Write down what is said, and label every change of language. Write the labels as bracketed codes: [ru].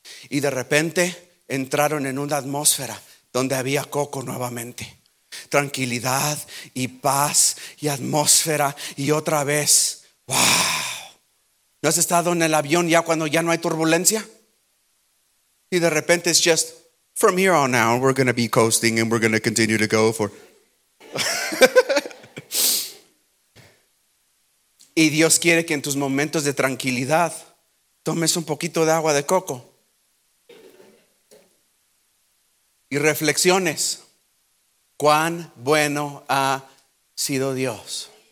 [es] Y de repente entraron en una atmósfera donde había coco nuevamente. Tranquilidad y paz y atmósfera. Y otra vez, wow. ¿No has estado en el avión ya cuando ya no hay turbulencia? Y de repente es [en] just: from here on out, we're going to be coasting and we're going to continue to go for. [es] Y Dios quiere que en tus momentos de tranquilidad tomes un poquito de agua de coco y reflexiones: cuán bueno ha sido Dios.